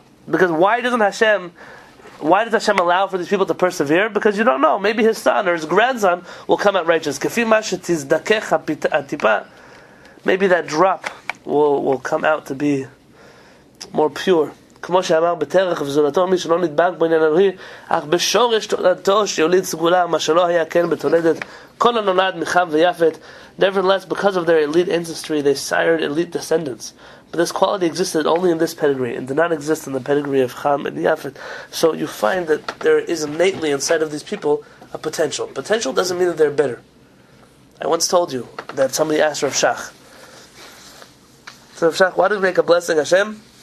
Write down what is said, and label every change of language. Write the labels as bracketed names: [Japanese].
[English] Because why does Hashem allow for these people to persevere? Because you don't know. Maybe his son or his grandson will come out righteous. Maybe that drop will come out to be more pure. [Hebrew] כמו שאמר בתרח וזולתו מי שלא נדבק בעניין הרי אך בשורש תולדתו שיוליד סגולה מה שלא היה כן בתולדת כל הנולד מחב ויפת. [English] Nevertheless, because of their elite ancestry, they sired elite descendants. But this quality existed only in this pedigree and did not exist in the pedigree of Ham and Yafet. So you find that there is innately inside of these people a potential. Potential doesn't mean that they're better. I once told you that somebody asked Rav Shach, why did we make a blessing, Hashem?